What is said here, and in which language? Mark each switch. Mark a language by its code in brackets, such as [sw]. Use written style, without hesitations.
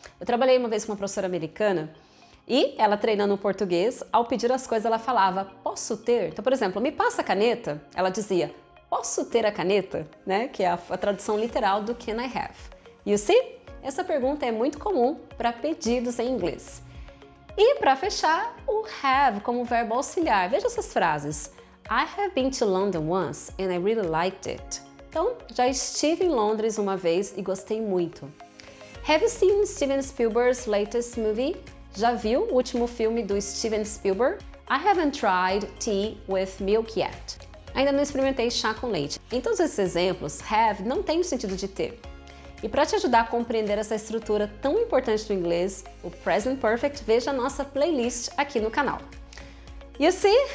[pt] Eu trabalhei uma vez com uma professora americana e ela treinando o português, ao pedir as coisas, ela falava, posso ter? Então, por exemplo, me passa a caneta? Ela dizia, posso ter a caneta? Né? Que é a tradução literal do [en] can I have. You see? [pt] Essa pergunta é muito comum para pedidos em inglês. E para fechar, o have como verbo auxiliar. Veja essas frases. [en] I have been to London once and I really liked it. [pt] Então, já estive em Londres uma vez e gostei muito. [en] Have you seen Steven Spielberg's latest movie? [pt] Já viu o último filme do Steven Spielberg? [en] I haven't tried tea with milk yet. [pt] Ainda não experimentei chá com leite. Em todos esses exemplos, have não tem o sentido de ter. E para te ajudar a compreender essa estrutura tão importante do inglês, o Present Perfect, veja a nossa playlist aqui no canal. [en] You see?